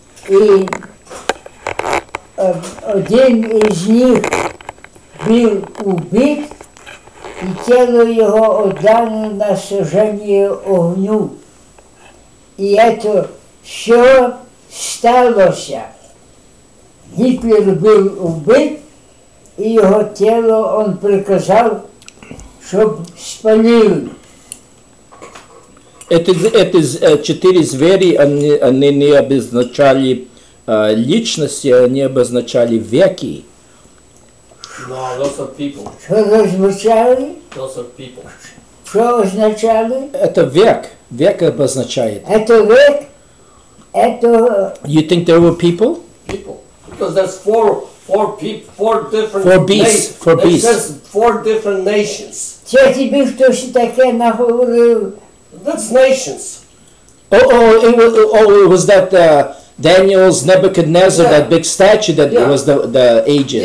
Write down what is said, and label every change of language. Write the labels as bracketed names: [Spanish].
[Ukrainian] І один із них був убит, і тіло його віддано [Russian] на сожжение огню. [Ukrainian] І це все сталося. Гітлер був убит, і його тіло він приказав, щоб спалили. [Russian] Эти четыре звери, они не обозначали личности, они обозначали веки. [English] No, lots of people. [Russian] Что обозначали? [English] Lots of people. [Russian] Что означали? Это век. Век обозначает. Это век? Это... [English] You think there were people? People. Because there's four different... Four beasts. Four beasts. There's four different nations. [Russian] Че тебе кто же такие нахуй... [English] That's nations. It was Daniel's Nebuchadnezzar, yeah. That big statue that was the ages.